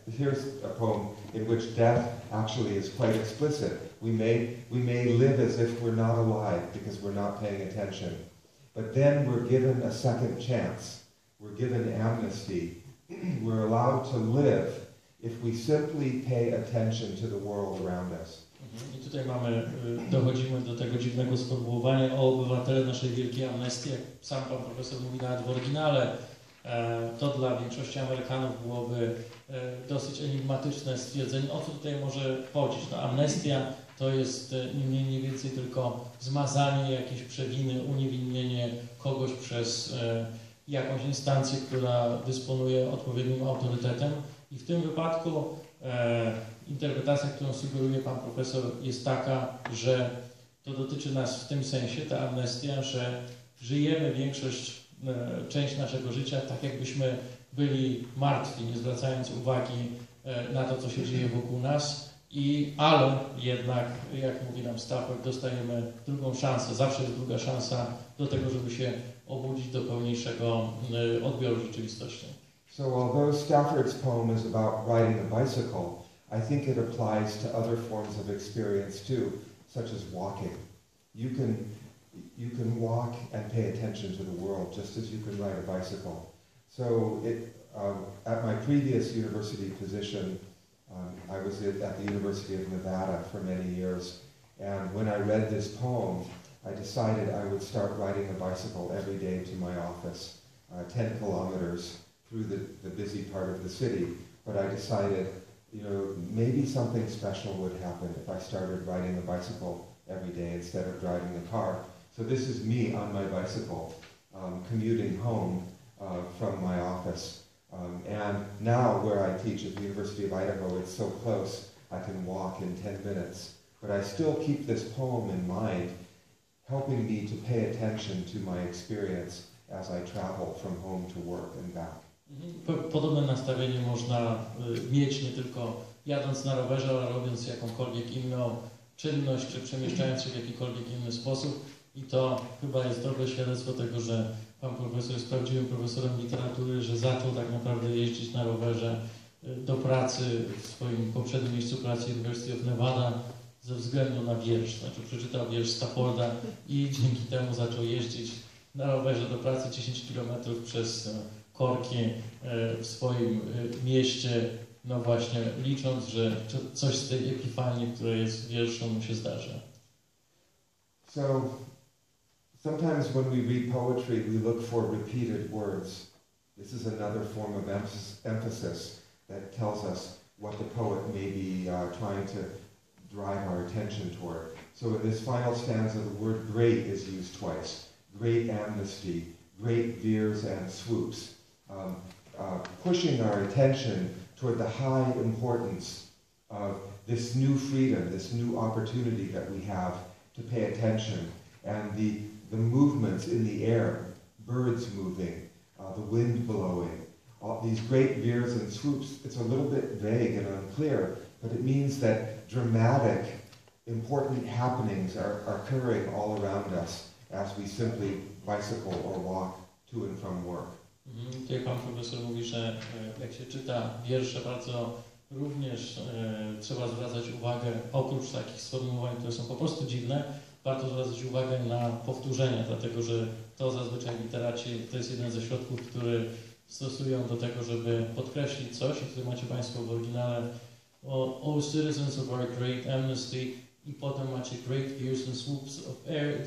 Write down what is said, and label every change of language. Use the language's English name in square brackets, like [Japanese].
[English] Here's a poem in which death actually is quite explicit. We may live as if we're not alive because we're not paying attention. But then we're given a second chance. We're given amnesty. We're allowed to live if we simply pay attention to the world around us. [Polish] I tutaj dochodzimy do tego dziwnego sformułowania o obywatele naszej wielkiej amnestii, jak sam pan profesor mówi nawet w oryginale. To dla większości Amerykanów byłoby dosyć enigmatyczne stwierdzenie, o co tutaj może chodzić. No, amnestia to jest nie mniej, nie więcej tylko zmazanie jakiejś przewiny, uniewinnienie kogoś przez jakąś instancję, która dysponuje odpowiednim autorytetem. I w tym wypadku interpretacja, którą sugeruje pan profesor, jest taka, że to dotyczy nas w tym sensie, ta amnestia, że żyjemy większość, część naszego życia tak, jakbyśmy byli martwi, nie zwracając uwagi na to, co się dzieje wokół nas. I ale jednak, jak mówi nam Stafford, dostajemy drugą szansę, zawsze jest druga szansa do tego, żeby się obudzić do pełniejszego odbioru rzeczywistości. [English] So although Stafford's poem is about riding a bicycle, I think it applies to other forms of experience too, such as walking. You can walk and pay attention to the world just as you can ride a bicycle. So at my previous university position, I was at the University of Nevada for many years, and when I read this poem, I decided I would start riding a bicycle every day to my office, 10 kilometers through the busy part of the city, but I decided, you know, maybe something special would happen if I started riding the bicycle every day instead of driving the car. So this is me on my bicycle, commuting home from my office. And now where I teach at the University of Idaho, it's so close, I can walk in 10 minutes. But I still keep this poem in mind, helping me to pay attention to my experience as I travel from home to work and back. [Polish] Podobne nastawienie można mieć nie tylko jadąc na rowerze, ale robiąc jakąkolwiek inną czynność, czy przemieszczając się w jakikolwiek inny sposób. I to chyba jest dobre świadectwo tego, że pan profesor jest prawdziwym profesorem literatury, że zaczął tak naprawdę jeździć na rowerze do pracy w swoim poprzednim miejscu pracy University of Nevada ze względu na wiersz. Znaczy przeczytał wiersz Stafforda i dzięki temu zaczął jeździć na rowerze do pracy 10 km przez korki w swoim mieście, no właśnie licząc, że coś z tej epifanii, która jest w wierszu, mu się zdarza. [English] So, sometimes when we read poetry, we look for repeated words. This is another form of emphasis that tells us what the poet may be trying to drive our attention toward. So in this final stanza, the word great is used twice. Great amnesty, great veers and swoops. Pushing our attention toward the high importance of this new freedom, this new opportunity that we have to pay attention, and the movements in the air, birds moving, the wind blowing, all these great veers and swoops. It's a little bit vague and unclear, but it means that dramatic, important happenings are occurring all around us as we simply bicycle or walk to and from work. [Polish] Tutaj pan profesor mówi, że jak się czyta wiersze, bardzo również trzeba zwracać uwagę, oprócz takich sformułowań, które są po prostu dziwne, warto zwracać uwagę na powtórzenia, dlatego że to zazwyczaj literaci, to jest jeden ze środków, który stosują do tego, żeby podkreślić coś, i tutaj macie państwo w oryginale [English] all citizens of our great amnesty [Polish] i potem macie [English] great views and swoops of air.